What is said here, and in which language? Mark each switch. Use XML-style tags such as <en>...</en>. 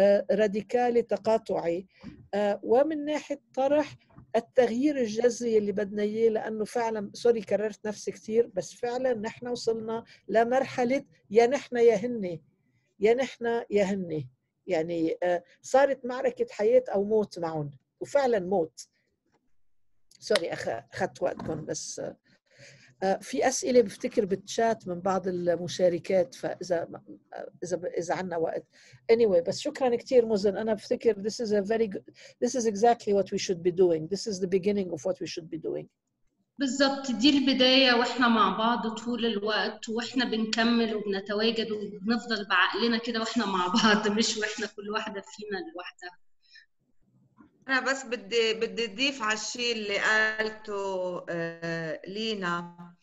<ar>راديكالي تقاطعي، ومن ناحية طرح التغيير الجذري اللي بدنا إياه، لأنه فعلا سوري كررت نفسي كثير، بس فعلا نحن وصلنا لمرحلة يا نحن يا هني، يا نحن يا هني، يعني صارت معركة حياة أو موت معهم، وفعلا موت. سوري أخذت وقتكم، بس في أسئلة بفتكر بالتشات من بعض المشاركات، فإذا إذا عنا وقت</ar> <en>anyway.</en> <ar>بس شكراً كتير مزن، أنا بفتكر</ar> <en>this is a very good, this is exactly what we should be doing, this is the beginning of what we should be doing.</en> <ar>بالضبط، دي البداية، وإحنا مع بعض طول الوقت، وإحنا بنكمل وبنتواجد وبنفضل بعقلنا كده وإحنا مع بعض، مش وإحنا كل واحدة فينا الواحدة. أنا بس بدي أضيف على الشيء اللي قالته لينا.</ar>